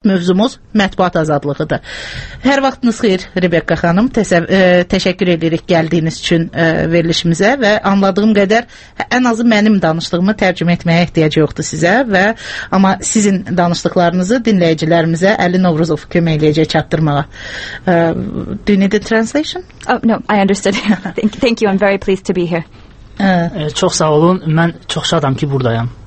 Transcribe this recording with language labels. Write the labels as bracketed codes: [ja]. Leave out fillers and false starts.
[az] Mövzumuz mətbuat azadlığıdır. Hər vaxtınız xeyir, Rebekka xanım. Təşəkkür edirik gəldiyiniz üçün verilişimizə və anladığım qədər ən azı mənim danışdığımı tərcümə etməyə ehtiyac yoxdur sizə və amma sizin danışdıqlarınızı dinləyicilərimizə Əli Novruzov kömək eləyəcək çatdırmağa. [en] Do you need a translation? Oh, no, I understood. Thank you, I'm very pleased to be here. [az] Çox sağ olun, mən çox şadam ki, buradayam.